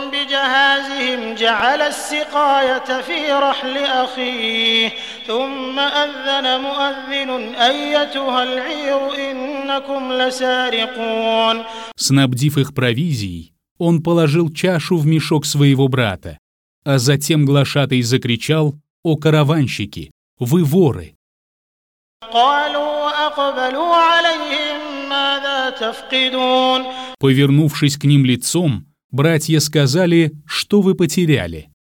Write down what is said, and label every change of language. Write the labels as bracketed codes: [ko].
[ar] جهازهم جعل السقاية في رحل أخيه ثم أذن مؤذن أيتها العير إنكم لسارقون. [ru] Снабдив их провизией, он положил чашу в мешок своего брата, а затем глашатай закричал: «О караванщики, вы воры!» [ar] قالوا وأقبلوا عليهم ماذا تفقدون. [ru] Повернувшись к ним лицом, братья сказали: «Что вы потеряли?»